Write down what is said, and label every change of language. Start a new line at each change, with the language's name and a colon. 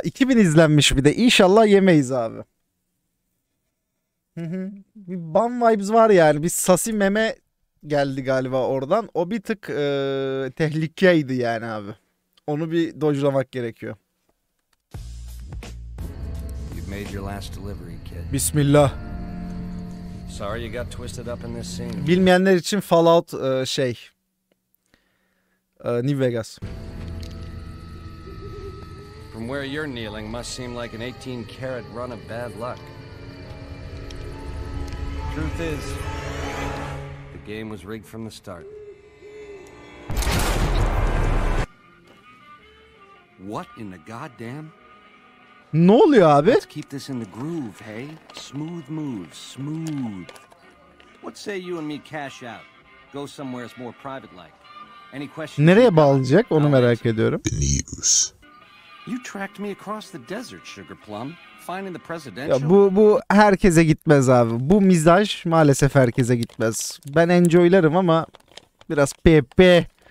Turkish: 2000 izlenmiş bir de. İnşallah yemeyiz abi. Bir ban vibes var yani. Bir sasi meme geldi galiba oradan. O bir tık tehlikeydi yani abi. Onu bir dojlamak gerekiyor.
English: You've made your last delivery, kid. Bismillah. Sorry you got twisted up in this scene.
Turkish: Bilmeyenler için Fallout New Vegas.
English: From where you're kneeling must seem like an 18 karat run of bad luck. Truth is, the game was rigged from the start. What in the goddamn?
Turkish: Ne oluyor abi?
English: Let's keep this in the groove, hey? Smooth moves, smooth. What say you and me cash out? Go somewhere it's more private like. Any questions?
Turkish: Nereye bağlayacak onu merak ediyorum.
English: The news. You tracked me across the desert, Sugar Plum. Finding the presidential.
Turkish: Ya bu herkese gitmez abi. Bu mizaj maalesef herkese gitmez. Ben enjoylarım ama biraz pepe.